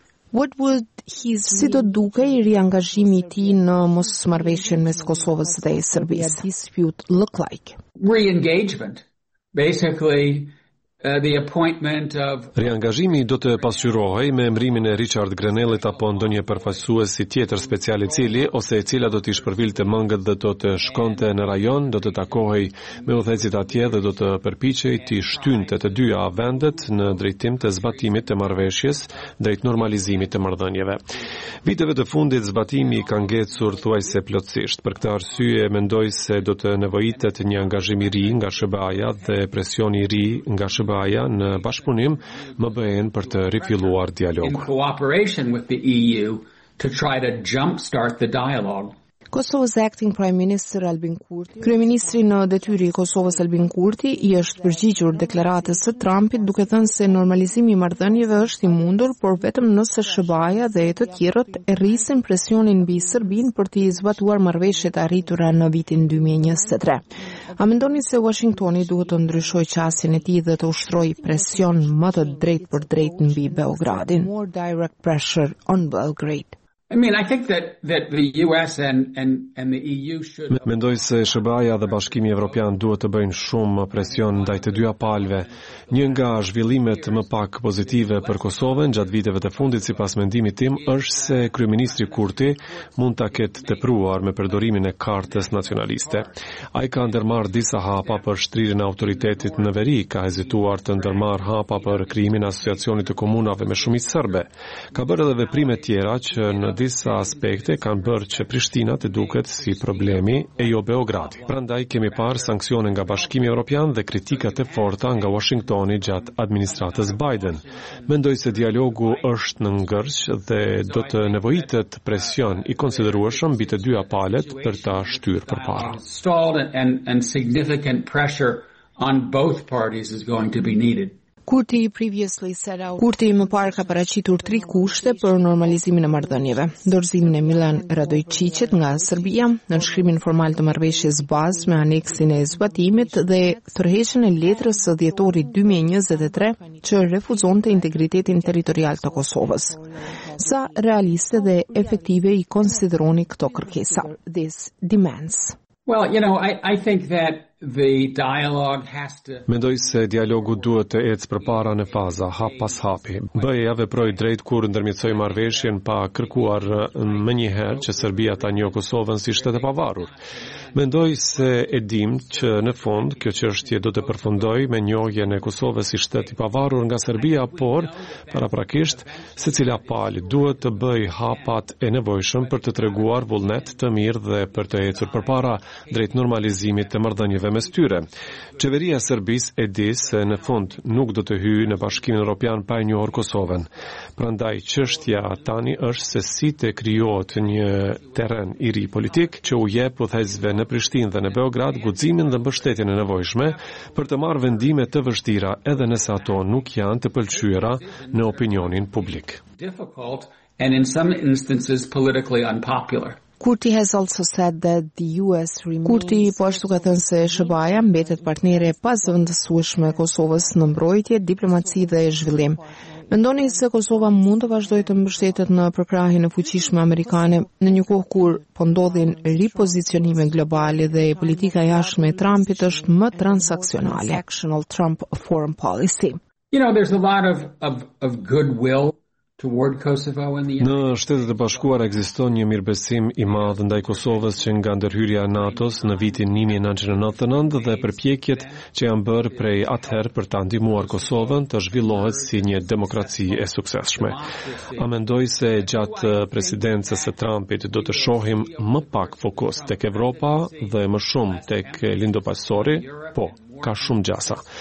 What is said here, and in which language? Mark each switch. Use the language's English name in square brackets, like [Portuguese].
[English] What would his [Albanian] si do dukej riangazhimi i tij në mosmarrveshjen mes Kosovës dhe Serbisë? [English] Dispute look like reengagement basically the appointment of [Albanian] riangazhimi do të pasqyrohej me emrimin e Richard Grenellit apo ndonjë përfaqësuesi tjetër special i cili ose e cila do të shpërvilte mangët dhe do të shkonte në rajon, do të takohej me udhëhecit atje dhe do të përpiqej të shtynte të dyja vendet në drejtim të zbatimit të marrëveshjes drejt normalizimit të marrëdhënieve. Viteve të fundit zbatimi ka ngecur thuajse plotësisht. Për këtë arsye mendoj se do të nevojitet një angazhim i ri nga SBA-ja dhe presioni i ri nga SBA-ja në bashkëpunim më bëhen për të rifilluar dialogun. [English] In cooperation with the EU to try to jumpstart the dialogue. [Albanian] Kosovës [English] acting prime minister [Albanian] Albin Kurti, kryeministri në detyrë i Kosovës Albin Kurti, i është përgjigjur deklaratës së Trumpit duke thënë se normalizimi i marrëdhënieve është i mundur, por vetëm nëse SBA-ja dhe të tjerët e rrisin presionin mbi Serbinë për të zbatuar marrëveshjet arritura në vitin 2023. A mendoni se Washingtoni duhet të ndryshojë qasjen e tij dhe të ushtrojë presion më të drejtë për drejtë mbi Beogradin? [English] More direct pressure on Belgrade. I mean, I think that the US and the EU should [Albanian] Mendoj se SBA-ja dhe Bashkimi Evropian duhet të bëjnë shumë presion ndaj të dyja palëve. Një nga zhvillimet më pak pozitive për Kosovën gjatë viteve të fundit sipas mendimit tim është se kryeministri Kurti mund ta ketë tepruar me përdorimin e kartës nacionaliste. Ai ka ndërmarr disa hapa për shtrirjen e autoritetit në veri, ka hezituar të ndërmarr hapa për krijimin e asociacionit të komunave me shumicë serbe. Ka bërë edhe veprime tjera që në disa aspekte kanë bërë që Prishtina të duket si problemi e jo Beogradi. Prandaj kemi parë sanksione nga Bashkimi Evropian dhe kritikat e forta nga Washingtoni gjatë administratës Biden. Mendoj se dialogu është në ngërç dhe do të nevojitet presion i konsiderueshëm mbi të dyja palët për ta shtyrë përpara. [English] Significant pressure on both parties is going to be needed. [Albanian] Kurti më parë ka paraqitur tri kushte për normalizimin e marrëdhënieve: dorëzimin e Milan Radojčićit nga Serbia, nënshkrimin formal të marrëveshjes bazë me aneksin e zbatimit dhe tërheqjen e letrës së dhjetorit 2023 që refuzonte integritetin territorial të Kosovës. Sa realiste dhe efektive i konsideroni këto kërkesa? [English] This demands. Well, you know, I think that the dialogue has to [Albanian] Mendoj se dialogu duhet të ecë përpara në faza hap pas hapi. BE-ja veproi drejt kur ndërmjetësoi marrëveshjen pa kërkuar më njëherë që Serbia ta njohë Kosovën si shtet e pavarur. Mendoj se e dim që në fund kjo çështje do të përfundojë me njohjen e Kosovës si shtet i pavarur nga Serbia, por paraprakisht secila palë duhet të bëjë hapat e nevojshëm për të treguar vullnet të mirë dhe për të ecur përpara drejt normalizimit të marrëdhënieve mes tyre. Qeveria e Serbisë e di se në fund nuk do të hyjë në Bashkimin Evropian pa e njohur Kosovën. Prandaj çështja tani është se si të krijohet një terren i ri politik që u jep udhëheqësve në Prishtinë dhe në Beograd guximin dhe mbështetjen e nevojshme për të marrë vendime të vështira edhe nëse ato nuk janë të pëlqyera në opinionin publik. [English] And in some instances politically unpopular. Kurti has also said that the US remains. [Albanian] Kurti po ashtu ka thënë se SBA mbetet partnere e pazëvendësueshme e Kosovës në mbrojtje, diplomaci dhe zhvillim. Mendoni se Kosova mund të vazhdojë të mbështetet në përkrahjen e fuqishme amerikane në një kohë kur po ndodhin ripozicionime globale dhe politika jashtme e Trumpit është më transaksionale. [English] Actional Trump foreign policy. You know, there's a lot of goodwill toward Kosovo and the [Albanian] Në Shtetet e Bashkuara ekziston një mirëbesim i madh ndaj Kosovës që nga ndërhyrja e NATO-s në vitin 1999 dhe përpjekjet që janë bërë prej atëherë për ta ndihmuar Kosovën të zhvillohet si një demokraci e suksesshme. A mendoj se gjatë presidencës së Trumpit do të shohim më pak fokus tek Evropa dhe më shumë tek lindopastori? Po. Ka shumë gjasa.